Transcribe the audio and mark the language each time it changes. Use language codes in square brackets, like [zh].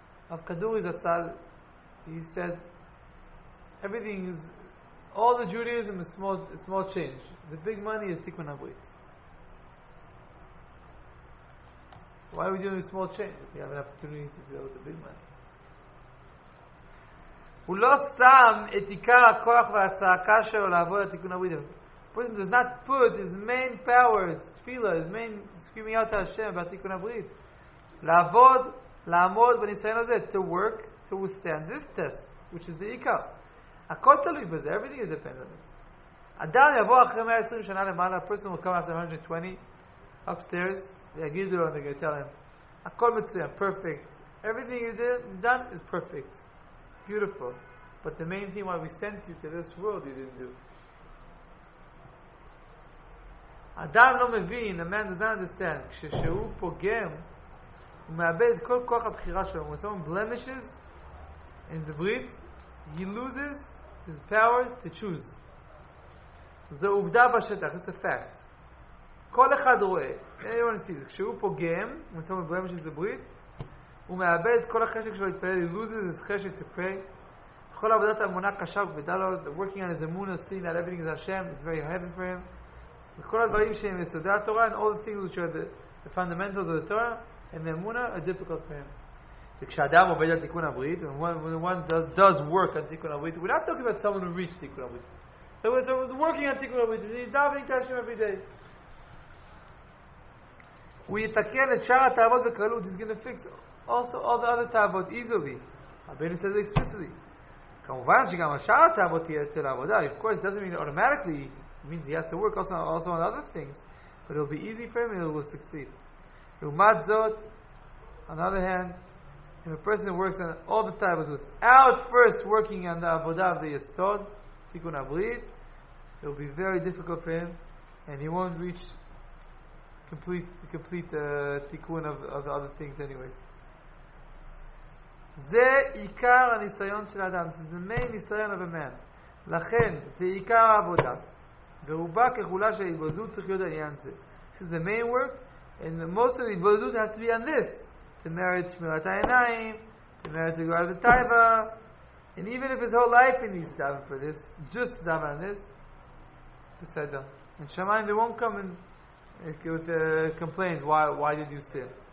[en] Of Kaduri Zatzal, he said, everything is, all the Judaism is small change. The big money is Tikkun HaBrit. So why are we doing a small change? If we have an opportunity to deal with the big money. [he] הוא לא שם את עיקר הכוח והצעקה שלו לעבוד את Tikkun HaBrit. [en] Person does not put his main power, his tefillah, his main screaming out to Hashem about Tikkun HaBrit. [he] לעבוד לעמוד בניסיון הזה, [en] to work, to withstand this test, which is the עיקר. [he] הכל תלוי בזה, [en] everything is dependent on it. [he] אדם יבוא אחרי 120 שנה למעלה, [en] a person will come after 120, upstairs, [he] ויגיד לו, [en] and they tell him, [he] הכל מצוין, [en] perfect. Everything you done is perfect. Beautiful. But the main thing why we sent you to this world, you didn't do. [he] אדם לא מבין, [en] a man does not understand, [he] כששהוא פוגם, הוא מאבד את כל כוח הבחירה שלו, [en] when someone blemishes in the brit, he loses his power to choose. [he] זו עובדה בשטח, [en] it's a fact. [he] כל אחד רואה, [en] everyone sees, [he] כשהוא פוגם, [en] when someone blemishes the brit, [he] הוא מאבד את כל החשק שלו להתפלל, [en] he loses his חשק to pray. [he] כל עבודת האמונה קשה וכבדה לו, [en] working on his emunah, seeing that everything is Hashem, it's very heavy for him. [he] וכל הדברים שהם יסודי התורה, [en] and all the things which are the fundamentals of the Torah, and the emunah are difficult for him. [he] וכשאדם עובד על תיקון הברית, [en] when one does work on תיקון הברית, we're not talking about someone who reached תיקון הברית. Someone who's working on תיקון הברית, he's davening to Hashem every day. [he] הוא יתקן את שאר התאוות בקלות, [en] he's going to fix also all the other תאוות easily. Rabbeinu says it explicitly. [he] כמובן שגם השאר התאוות תהיה יותר לעבודה. [en] Of course, it doesn't mean automatically, it means he has to work also on other things. But it'll be easy for him and it will succeed. [he] לעומת זאת, [en] on the other hand, if a person works on all the tables without first working on the avodah of the yesod, tikkun habrit, it will be very difficult for him, and he won't reach complete tikkun of the other things anyways. [he] זה עיקר הניסיון של אדם. [en] This is the main ניסיון of a man. [he] לכן, זה עיקר העבודה. ורובה כחולה של התבודדות צריך להיות עניין זה. [en] This is the main work, and most of the Ibadut has to be on this. To merit Shmirat Ha'inayim, to merit to go out of the Taiva. And even if his whole life he needs to daven for this, just to daven on this, the Seder. And Shamayim, they won't come with complaints, why did you sin?